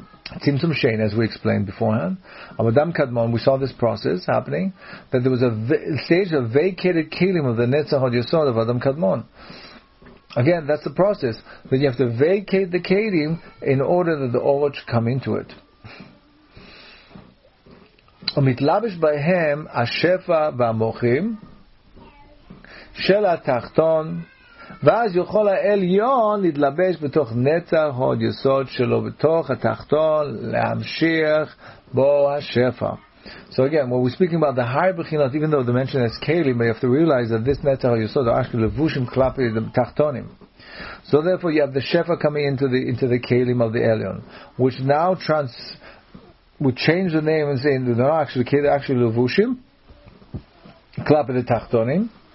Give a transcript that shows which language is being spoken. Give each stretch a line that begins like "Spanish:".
English: Tzimtzum Shein, as we explained beforehand, Avadam Kadmon, we saw this process happening, that there was a stage of vacated kelim of the Netzach Od Yesod of Avadam Kadmon. Again, that's the process, that you have to vacate the kelim in order that the Orot should come into it.
Hebrew: Umitlabish b'hem ashefa v'amochim shel ha'tachton ואז יוכל העליון להתלבש בתוך נצח הוד יסוד שלו בתוך התחתון להמשיך בו השפע.
English: So again, when we're speaking about the higher bechinot, even though the mention is keli, but you have to realize that this netzach yosod are actually levushim klapi the tachtonim. So therefore you have the shefa coming into the kelim of the elyon, which now would change the name and say they're not actually keli, they're actually levushim klapi the tachtonim.